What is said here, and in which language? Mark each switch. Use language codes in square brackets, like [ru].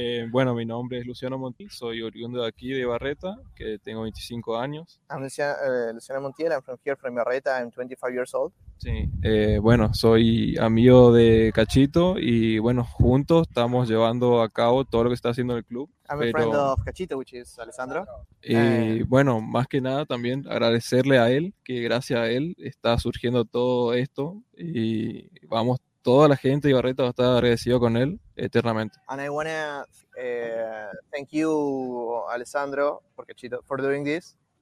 [es] Bueno, mi nombre es Luciano Montiel. Soy oriundo de aquí, de Ibarreta, que tengo 25 años. [en] I'm Luciano Montiel. I'm from here, from Ibarreta. I'm 25 years old. [es] Sí. Bueno, soy amigo de Cachito y, bueno, juntos estamos llevando a cabo todo lo que está haciendo el club. [en] I'm a friend of Cachito, which is Alessandro. [es] Y bueno, más que nada también agradecerle a él, que gracias a él está surgiendo todo esto. Y vamos, toda la gente de Ibarreta va a estar agradecido con él eternamente. [en] And I want to thank you, Alessandro, for Cachito, for doing this.